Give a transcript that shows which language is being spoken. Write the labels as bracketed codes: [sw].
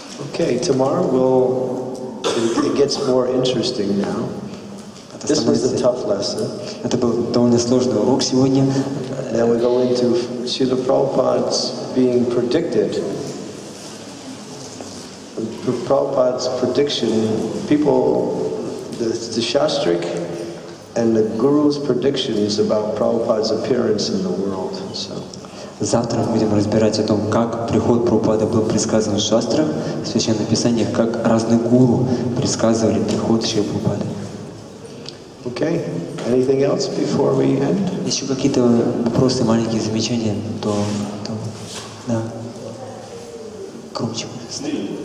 [en] Okay, tomorrow it gets more interesting now. This was a tough lesson. [ru] Это был довольно сложный урок сегодня. [en] Then we go into Srila Prabhupada's being predicted. Prabhupada's prediction, people, the Shastric and the Guru's predictions about Prabhupada's appearance in the world. So. [ru] Завтра мы будем разбирать о том, как приход Прабхупады был предсказан в шастрах, в священных писаниях, как разные гуру предсказывали приход Шри Прабхупады. [en] Okay. Anything else before we end? [ru] Еще какие-то вопросы, маленькие замечания, то да. Громче, пожалуйста.